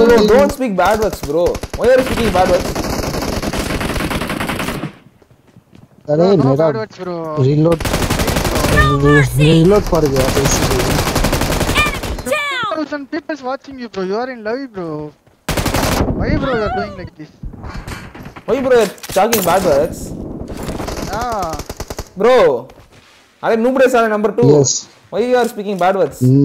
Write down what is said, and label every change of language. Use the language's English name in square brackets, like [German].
[English] Don't speak bad words, bro. Why are you speaking bad words? [Hindi] अरे मेरा reload reload पर गया इसलिए [English] some people is watching you bro, you are in love bro. Why bro you are doing like this? Why bro you are talking bad words? Yeah [Hindi] bro, अरे नूबड़े साले [English] number two. Yes. Why you are speaking bad words?